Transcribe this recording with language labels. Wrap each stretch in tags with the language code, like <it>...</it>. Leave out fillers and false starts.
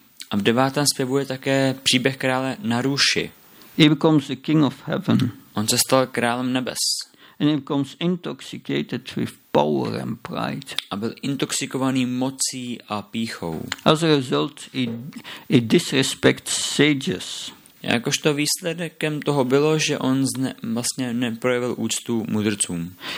<cs>A v devátém zpěvu je také příběh krále Naruši.</cs> <en>He becomes the king of heaven.</en> <cs>On se stal králem nebes.</cs> <en>And he becomes intoxicated with power and pride.</en> <cs>A byl intoxikovaný mocí a pýchou.</cs> <en>As a result, he disrespects sages.</en> <cs>Jakožto výsledkem toho bylo, že on vlastně neprojevil úctu mudrcům.</cs>